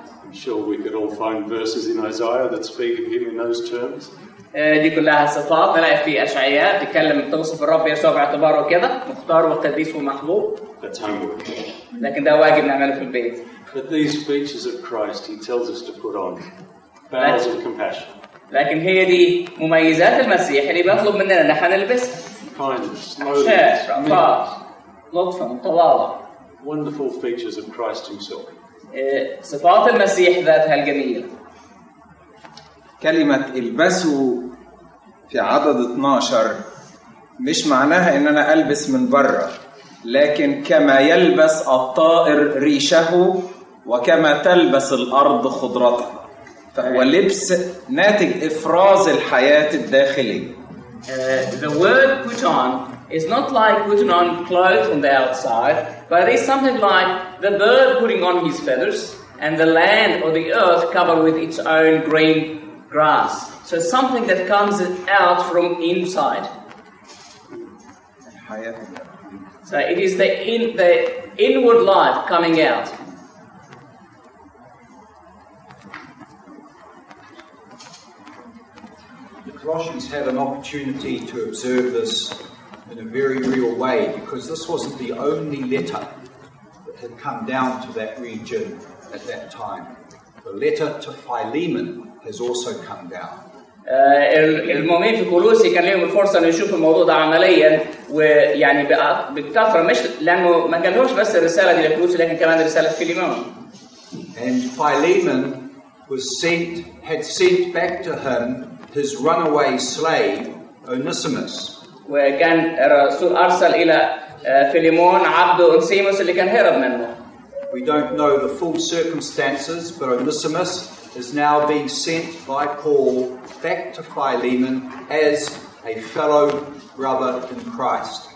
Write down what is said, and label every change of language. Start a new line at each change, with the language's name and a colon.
English: I'm sure we could all find verses in Isaiah that speak of him in those terms.
Arabic: دي كلها صفات نلاقي في أشعياء تتكلم توصف الرب يسوع باعتباره كده مختار وقديس ومحبوب.
English: That's homework.
Arabic: لكن ده واجب نعمله في البيت.
English: But these features of Christ he tells us to put on. Bowels of compassion.
Arabic: لكن هي دي مميزات المسيح اللي بيطلب مننا ان احنا نلبسها.
English: Kindness, loyalty,
Arabic: رفاق. لطفا طوالا.
English: Wonderful features of Christ himself.
Arabic: صفات المسيح ذاتها الجميلة. كلمة البسوا في عدد 12 مش معناها ان انا البس من بره، لكن كما يلبس الطائر ريشه وكما تلبس الارض خضرتها، فهو لبس ناتج افراز الحياة الداخلية.
English: The word put on is not like putting on clothes on the outside, but it is something like the bird putting on his feathers and the land or the earth covered with its own green grass. So something that comes out from inside. So it is the inward life coming out. Russians had an opportunity to observe this in a very real way, because this wasn't the only letter that had come down to that region at that time. The letter to Philemon has also come down.
Arabic: المؤمنين في كولوسي كان لهم الفرصة أن يشوفوا الموضوع ده عمليا ويعني بكثرة، مش لأنه ما كانوش بس الرسالة دي لكولوسي لكن كمان رسالة فيليمون.
English: And Philemon had sent back to him his runaway slave Onesimus.
Arabic: وكان الرسول أرسل إلى فيليمون عبده أونسيموس اللي كان هرب منه.
English: We don't know the full circumstances, but Onesimus is now being sent by Paul back to Philemon as a fellow brother in Christ.